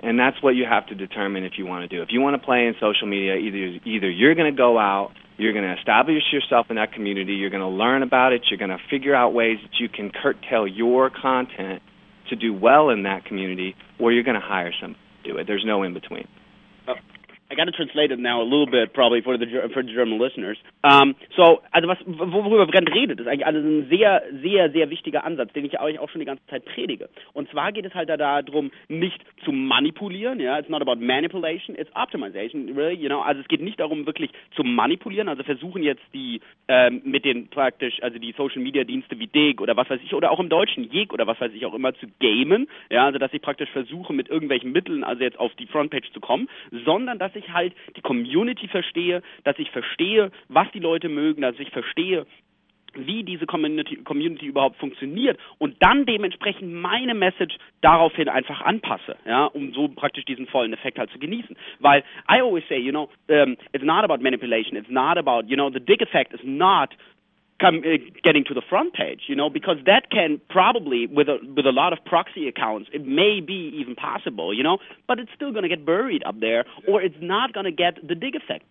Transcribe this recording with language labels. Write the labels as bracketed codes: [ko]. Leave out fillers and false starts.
[en] And that's what you have to determine if you want to do. If you want to play in social media, either you're going to go out, you're going to establish yourself in that community, you're going to learn about it, you're going to figure out ways that you can curtail your content to do well in that community, or you're going to hire somebody to do it. There's no in-between. I got to translate it now a little bit, probably for the German listeners. [de] Worüber wir gerade redet, ist eigentlich ein sehr, sehr, sehr wichtiger Ansatz, den ich euch auch schon die ganze Zeit predige. Und zwar geht es halt da darum, nicht zu manipulieren. [en] Ja, it's not about manipulation, it's optimization, really. You know, [de] also es geht nicht darum, wirklich zu manipulieren. Also versuchen jetzt die mit den praktisch, also die Social Media Dienste wie Dig oder was weiß ich oder auch im Deutschen Jeg oder was weiß ich auch immer zu gamen. Ja, also dass ich praktisch versuche mit irgendwelchen Mitteln, also jetzt auf die Frontpage zu kommen, sondern dass ich halt die Community verstehe, dass ich verstehe, was die Leute mögen, dass ich verstehe, wie diese Community überhaupt funktioniert und dann dementsprechend meine Message daraufhin einfach anpasse, ja, um so praktisch diesen vollen Effekt halt zu genießen. [en] Weil I always say, you know, it's not about manipulation, it's not about, you know, the dig effect is not getting to the front page, you know, because that can probably, with a lot of proxy accounts, it may be even possible, you know, but it's still going to get buried up there, or it's not going to get the dig effect.